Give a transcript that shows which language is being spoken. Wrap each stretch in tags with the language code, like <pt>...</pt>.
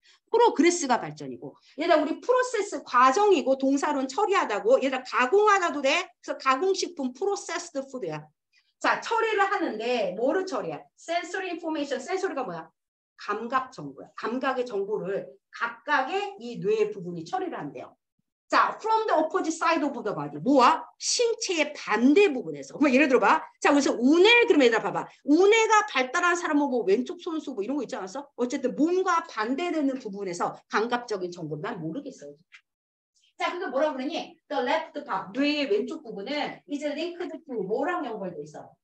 <ko>프로그레스가 발전이고. 얘네 우리 프로세스 과정이고 동사로는 처리하다고. 얘네 가공하다도 돼? 그래서 가공식품, 프로세스드 푸드야. 자, 처리를 하는데 뭐를 처리해?</ko> <en>Sensory information. Sensory가</en> <ko>뭐야? 감각 정보야. 감각의 정보를 각각의 이 뇌 부분이 처리를 한대요.</ko> <en>자, from the opposite side of the body.</en> <ko>뭐와? 신체의 반대 부분에서. 그럼 예를 들어봐. 자, 그래서 우뇌 그러면 얘들아 봐봐. 우뇌가 발달한 사람은 뭐 왼쪽 손수 뭐 이런 거 있지 않았어? 어쨌든 몸과 반대되는 부분에서 감각적인 정보를 난 모르겠어요. 자, 그게 뭐라고 그러니?</ko> <en>The left part,</en> <ko>뇌의 왼쪽 부분은</ko> <en>is linked to</en> <ko>뭐랑 연결돼 있어?</ko>